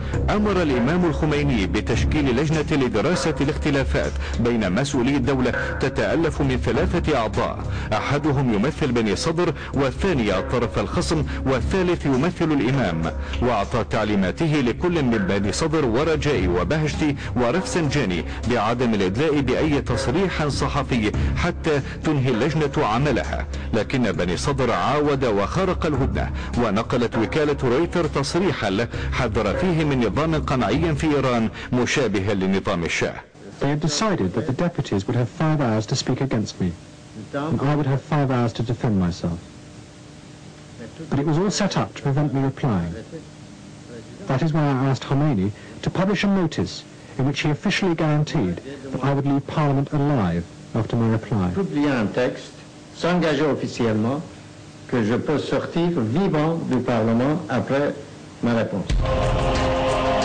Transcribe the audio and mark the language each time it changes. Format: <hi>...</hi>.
<ar>أمر الإمام الخميني بتشكيل لجنة لدراسة الاختلافات بين مسؤولي الدولة تتألف من 3 أعضاء، أحدهم يمثل بني صدر، والثاني الطرف الخصم، والثالث يمثل الإمام، وأعطى تعليماته لكل من بني صدر ورجائي وبهشتي ورفسنجاني بعدم الإدلاء بأي تصريح صحفي حتى تنهي اللجنة عملها. لكن بني صدر عاود وخرق الهدنة، ونقلت وكالة رويتر تصريحا له حذر فيه من نظام قمعي في إيران مشابه لنظام الشاه.</ar> <en>They had decided that the deputies would have 5 hours to speak against me, and I would have 5 hours to defend myself. But it was all set up to prevent me replying. That is why I asked Khomeini to publish a notice in which he officially guaranteed that I would leave Parliament alive after my reply.</en> <fr>Publier un texte s'engageant officiellement que je peux sortir vivant du Parlement après ma réponse.</fr>